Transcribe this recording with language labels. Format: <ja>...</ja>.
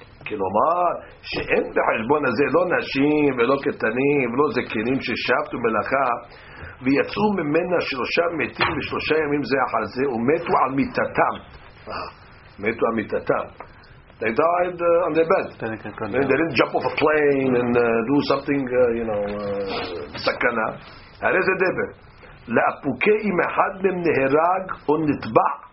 <he>כלומר, שאין בחשבון הזה לא נשים ולא קטנים ולא זקנים ששבתו מלאכה ויצאו ממנה שלושה מתים ושלושה ימים זה אחר זה ומתו על מיטתם. מתו על מיטתם.</he> <en>They died on their bed. They didn't jump off a plane and do something, you know, סכנה.</en> <he>הרי זה דבר. לאפוקי אם אחד מהם נהרג או נטבע.</he>